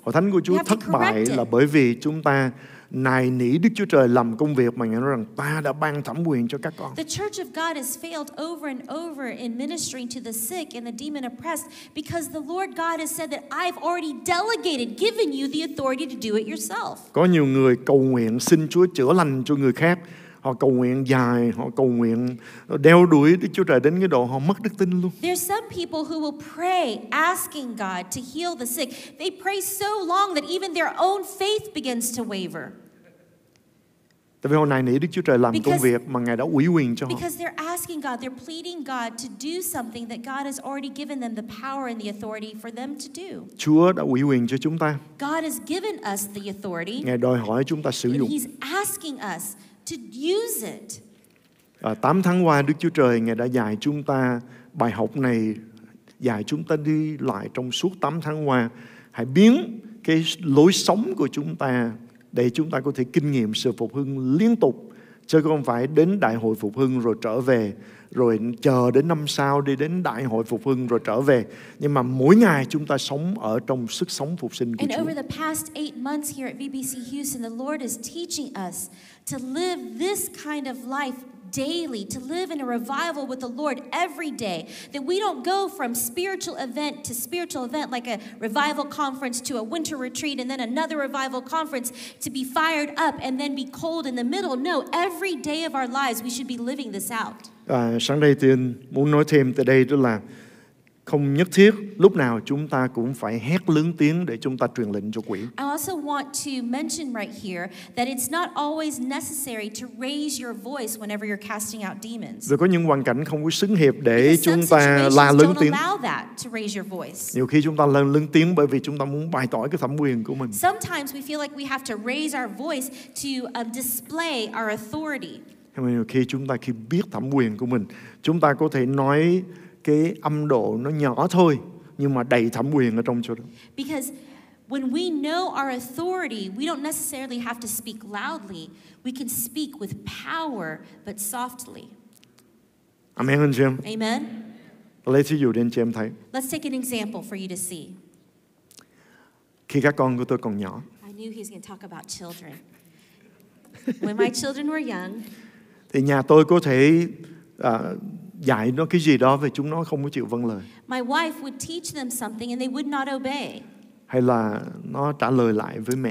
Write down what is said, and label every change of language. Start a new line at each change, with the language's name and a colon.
Vietnamese: Hội thánh của Chúa thất bại là bởi vì chúng ta nài nỉ Đức Chúa Trời làm công việc mà Ngài nói rằng ta đã ban thẩm quyền cho các con.
English: The church of God has failed over and over in ministering to the sick and the demon oppressed because the Lord God has said that I've already delegated, given you the authority to do it yourself.
Vietnamese: Có nhiều người cầu nguyện xin Chúa chữa lành cho người khác. Họ cầu nguyện dài, họ cầu nguyện đeo đuổi Đức Chúa Trời đến cái độ họ mất đức tin luôn.
English: There are some people who will pray asking God to heal the sick. They pray so long that even their own faith begins to waver.
Vietnamese: Tại vì họ nài nỉ Đức Chúa Trời làm công việc mà Ngài đã ủy quyền cho họ.
English: Because they're asking God, they're pleading God to do something that God has already given them the power and the authority for them to do.
Vietnamese: Chúa đã ủy quyền cho chúng ta.
English: God has given us the authority.
Vietnamese: Ngài đòi hỏi chúng ta sử dụng.
English: He's asking us to use it.
Vietnamese: 8 tháng qua Đức Chúa Trời Ngài đã dạy chúng ta bài học này, dạy chúng ta đi lại trong suốt 8 tháng qua. Hãy biến cái lối sống của chúng ta để chúng ta có thể kinh nghiệm sự phục hưng liên tục, chứ không phải đến đại hội phục hưng rồi trở về, rồi chờ đến năm sau đi đến đại hội phục hưng rồi trở về. Nhưng mà mỗi ngày chúng ta sống ở trong sức sống phục sinh của Chúa.
English: And over the past 8 months here at VBC Houston, the Lord is teaching us to live this kind of life daily, to live in a revival with the Lord every day, that we don't go from spiritual event to spiritual event, like a revival conference to a winter retreat and then another revival conference, to be fired up and then be cold in the middle. No, every day of our lives we should be living this out.
Vietnamese: Sáng đây tôi muốn nói thêm tại đây đó là không nhất thiết lúc nào chúng ta cũng phải hét lớn tiếng để chúng ta truyền lệnh cho quỷ.
English: I also want to mention right here that it's not always necessary to raise your voice whenever you're casting out demons.
Vietnamese: Rồi có những hoàn cảnh không có xứng hiệp để chúng ta la lớn tiếng.
English: Don't allow that to raise your voice.
Vietnamese: Nhiều khi chúng ta la lớn tiếng bởi vì chúng ta muốn bày tỏ cái thẩm quyền của mình.
English: Sometimes we feel like we have to raise our voice to display our authority.
Vietnamese: Nhiều khi chúng ta khi biết thẩm quyền của mình, chúng ta có thể nói cái âm độ nó nhỏ thôi, nhưng mà đầy thẩm quyền ở trong chỗ đó.
English: Because when we know our authority, we don't necessarily have to speak loudly. We can speak with power, but softly.
Vietnamese: Amen, anh chị em.
English: Amen.
Vietnamese: Lấy thí dụ để anh chị em thấy.
English: Let's take an example for you to see.
Vietnamese: Khi các con của tôi còn nhỏ.
English: I knew he was going to talk about children. When my children were young.
Vietnamese: Thì nhà tôi có thể dạy nó cái gì đó về chúng nó không có chịu vâng lời.
English: My wife would teach them something and they would not obey.
Vietnamese: Hay là nó trả lời lại với mẹ.